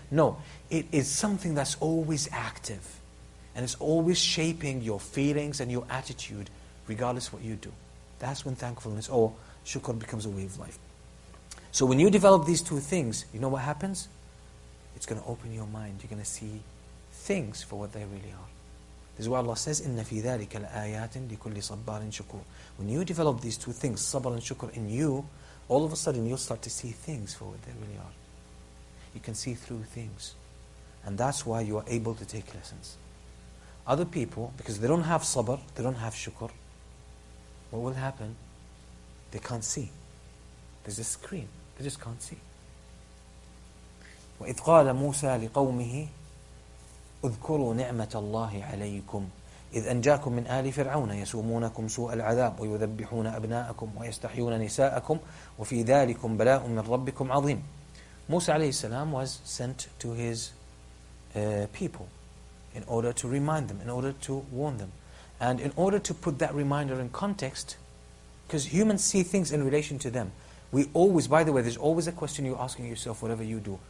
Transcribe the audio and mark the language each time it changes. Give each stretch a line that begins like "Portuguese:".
English: No, it is something that's always active. And it's always shaping your feelings and your attitude, regardless what you do. That's when thankfulness or shukr becomes a way of life. So when you develop these two things, you know what happens? It's going to open your mind. You're going to see things for what they really are. This is why Allah says,
Arabic: إِنَّ فِي ذَلِكَ لَآيَاتٍ لِكُلِّ صَبَّارٍ شُكُرٍ.
English: When you develop these two things, sabr and shukr, in you, all of a sudden you'll start to see things for what they really are. You can see through things. And that's why you are able to take lessons. Other people, because they don't have sabr, they don't have shukr, what will happen? They can't see. There's a screen. They just can't see.
Arabic: وَإِذْ قَالَ مُوسَى لِقَوْمِهِ اذكروا نعمة الله عليكم إذ أنجاكم من آل فرعون يسومونكم سوء العذاب ويذبحون أبناءكم ويستحيون نساءكم وفي ذلكم بلاء من ربكم عظيم.
English: موسى عليه السلام was sent to his people in order to remind them, in order to warn them. And in order to put that reminder in context, because humans see things in relation to them. We always, by the way, there's always a question you're asking yourself whatever you do.